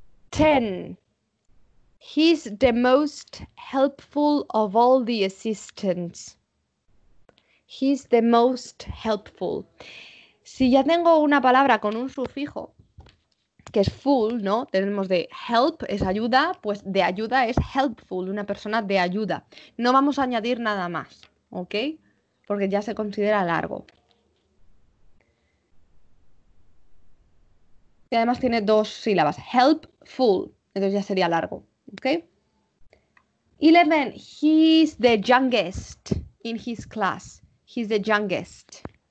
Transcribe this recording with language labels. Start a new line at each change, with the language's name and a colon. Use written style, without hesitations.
English: Ten. He's the most helpful of all the assistants. He's the most helpful.
Spanish: Si ya tengo una palabra con un sufijo, que es full, ¿no? Tenemos de help, es ayuda, pues de ayuda es helpful, una persona de ayuda. No vamos a añadir nada más, ¿ok? Porque ya se considera largo. Y además tiene dos sílabas, helpful, entonces ya sería largo, ¿ok?
English: 11, he's the youngest in his class, he's the youngest.